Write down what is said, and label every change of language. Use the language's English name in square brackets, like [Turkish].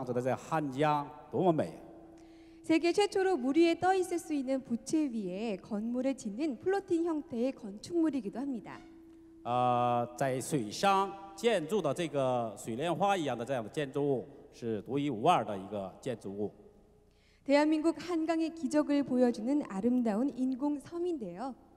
[Chinese] 在城市的中心，这个流淌着的这汉江多么美！ [Korean] 세계 최초로 물 위에 떠 있을 수 있는 부채 위에 건물을 짓는 플로팅 형태의 건축물이기도 합니다. [Chinese] 在水上建筑的这个水莲花一样的这样的建筑物是独一无二的一个建筑物。 [Korean] 대한민국 한강의 기적을 보여주는 아름다운 인공 섬인데요.